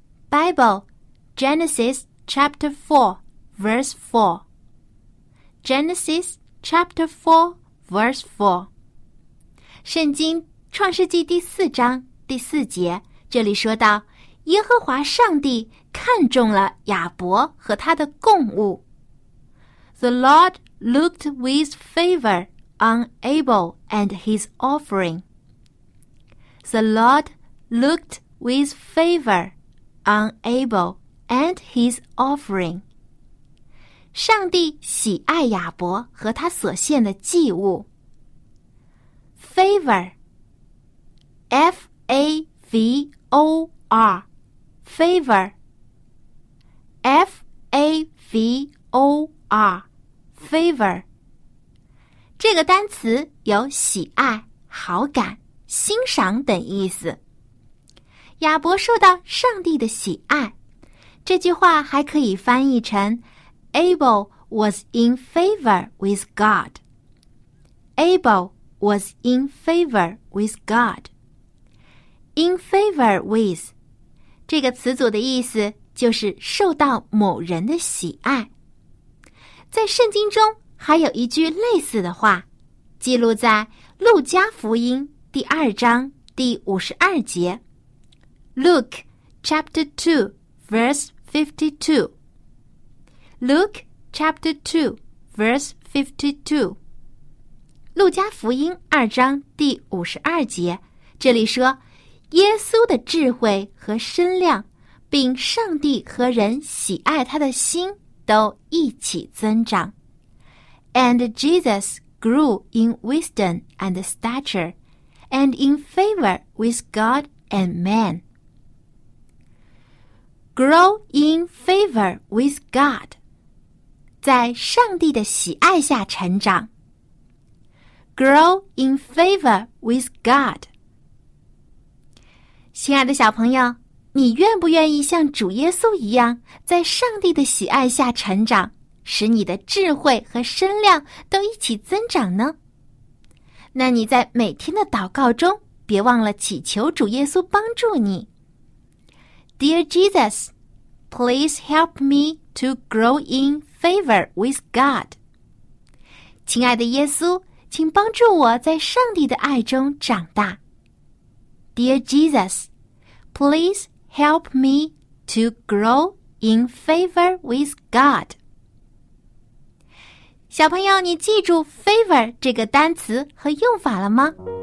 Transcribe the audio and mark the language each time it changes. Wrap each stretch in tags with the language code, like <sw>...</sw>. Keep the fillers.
<en>Bible Genesis Chapter Four Verse Four. Genesis Chapter Four Verse Four.</en> <zh>圣经创世纪第四章第四节，这里说到，耶和华上帝看中了亚伯和他的供物。</zh> <en>The Lord looked with favor on Abel and his offering. The Lord looked with favor on Abel and his offering.</en> <zh>上帝喜爱亚伯和他所献的祭物。</zh> <en>Favor, f a v o r, favor, f a v o r, favor.</en> <zh>这个单词有喜爱、好感。欣赏等意思。亚伯受到上帝的喜爱，这句话还可以翻译成：</zh> <en>“Abel was in favor with God.” Abel was in favor with God. In favor with</en> <zh>这个词组的意思就是受到某人的喜爱。在圣经中还有一句类似的话，记录在路加福音。第二章第五十二节。</zh> <en>Look, chapter two, verse fifty-two. Look, chapter two, verse fifty-two.</en> <zh>《路加福音》二章第五十二节，这里说，耶稣的智慧和身量，并上帝和人喜爱他的心，都一起增长。</zh> <en>And Jesus grew in wisdom and stature. and in favor with God and man. grow in favor with God，</en> <zh>在上帝的喜爱下成长。</zh> <en>grow in favor with God。</en> <zh>亲爱的小朋友，你愿不愿意像主耶稣一样，在上帝的喜爱下成长，使你的智慧和身量都一起增长呢？那你在每天的祷告中，别忘了祈求主耶稣帮助你。</zh> <en>Dear Jesus, please help me to grow in favor with God。</en> <zh>亲爱的耶稣，请帮助我在上帝的爱中长大。</zh> <en>Dear Jesus, please help me to grow in favor with God。</en> <zh>小朋友，你记住 "favor" 这个单词和用法了吗？</zh>